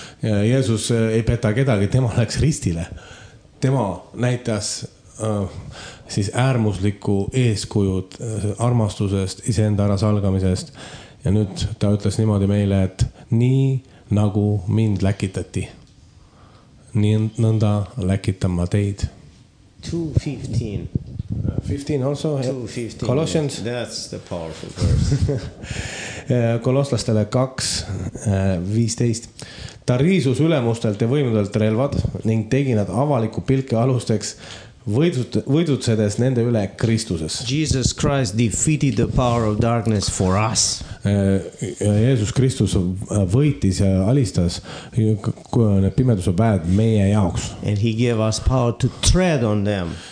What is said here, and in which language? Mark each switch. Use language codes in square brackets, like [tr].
[et] Ja Jeesus ei peta kedagi, tema läks ristile. Tema näitas siis äärmusliku eeskujud armastusest, iseenda ära salgamisest. Ja nüüd ta ütles niimoodi meile, et nii nagu mind läkitati, nii nõnda läkitama teid. [en] 2:15. 15 also? 2:15. Colossians? That's the powerful verse. [et] Kolosslastele 2:15. Ta riisus ülemustelt ja võimudelt relvad ning tegi nad avaliku pilke alusteks võidutsedes nende üle Kristuses. [en] Jesus Christ defeated the power of darkness for us. [et] Jeesus Kristus võitis ja alistas pimeduse päed meie jaoks. [en] And he gave us power to tread on them.